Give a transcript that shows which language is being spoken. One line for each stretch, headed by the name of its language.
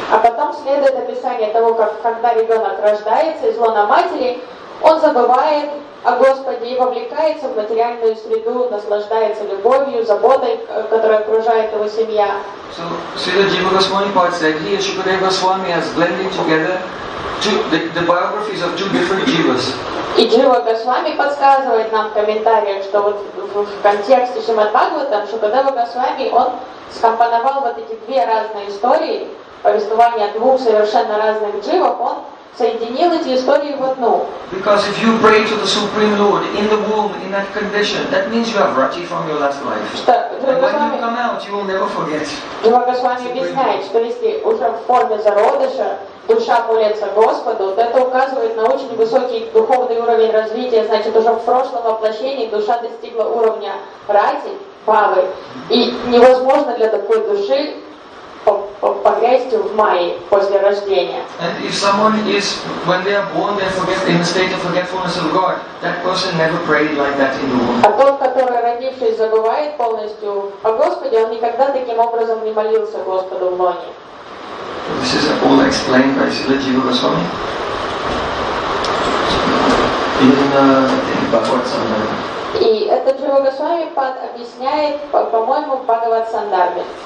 Russian: А потом следует описание того, как когда ребенок рождается из лона матери, он забывает о Господе и вовлекается в материальную среду, наслаждается любовью, заботой, которая окружает его семья.
English: So, Srila Jiva Goswami Pad said, he and Shukadeva Goswami has blended together the biographies of two different Jivas.
Russian: И Джива Госвами подсказывает нам в комментариях, что вот в контексте Шримад Бхагаватам Шукадева Госвами, он скомпоновал вот эти две разные истории, повествования двух совершенно разных дживов, он соединил эти истории в одну.
English: Because if you pray to the Supreme Lord in the womb in that condition, that means you have rati from your last life. And when you come out, you will never forget.
Russian: Джива Госвами объясняет, что если уже в форме зародыша душа молится Господу, вот это указывает на очень высокий духовный уровень развития, значит, уже в прошлом воплощении душа достигла уровня рати, бхавы, и невозможно для такой души погрязть в майе после рождения.
English: And if someone is, when they are born, they forget in the state of forgetfulness of God, that person never prayed like that in the womb.
Russian: А тот, который родившись, забывает полностью о Господе, он никогда таким образом не молился Господу в лоне.
English: This is all explained by Srila Jiva Goswami in Bhagavad Sandarbha.
Russian: И это Джива Госвами объясняет, по-моему, в Бхагавад Сандарбе.